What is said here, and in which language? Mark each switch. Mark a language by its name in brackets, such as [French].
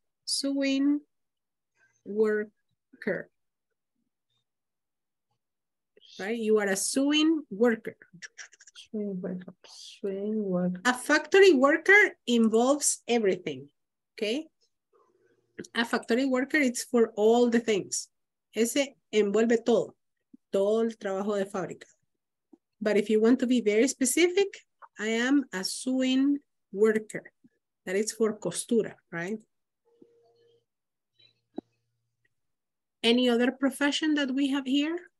[English] Sewing worker. Right? You are a sewing worker. Sewing worker. A factory worker involves everything. Okay, a factory worker, it's for all the things. [Spanish] Ese envuelve todo, todo el trabajo de fábrica. [English] But if you want to be very specific, I am a sewing worker. That is for costura, right? Any other profession that we have here?